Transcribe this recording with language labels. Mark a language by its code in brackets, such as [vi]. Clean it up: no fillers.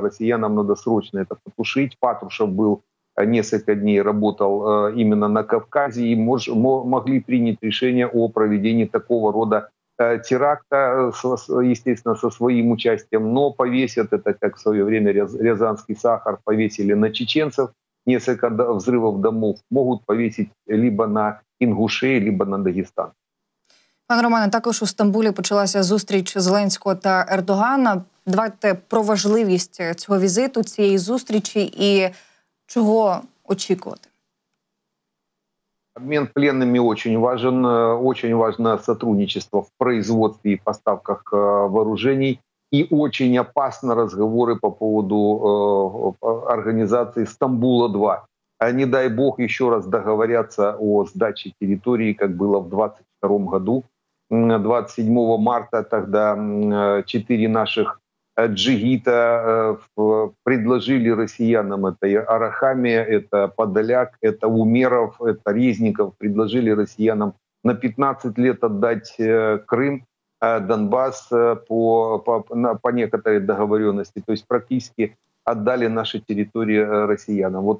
[ru] Россиянам надо срочно это потушить. Патрушев был несколько дней, работал именно на Кавказе и могли принять решение о проведении такого рода теракта, естественно, со своим участием, но повесят это, как в свое время рязанский сахар повесили на чеченцев. Несколько взрывов домов могут повесить либо на Ингушей, либо на Дагестан. [uk] Пане Романе, також у Стамбулі почалася зустріч Зеленського та Ердогана. Давайте про важливість цього візиту, цієї зустрічі і чого очікувати. Обмін пленними [ru] очень [uk] важливе [ru] сотрудничество [uk] в производстві і поставках [ru] вооружений [uk] і очень опасні розговори [ru] по поводу [uk] організації Стамбула-2. Не дай Бог ще раз договоряться о здачі території, як було в 22-му году. [ru] 27 марта тогда четыре наших джигита предложили россиянам, это Арахами, это Подоляк, это Умеров, это Резников, предложили россиянам на 15 лет отдать Крым, Донбасс по некоторой договоренности, то есть практически отдали наши территории россиянам.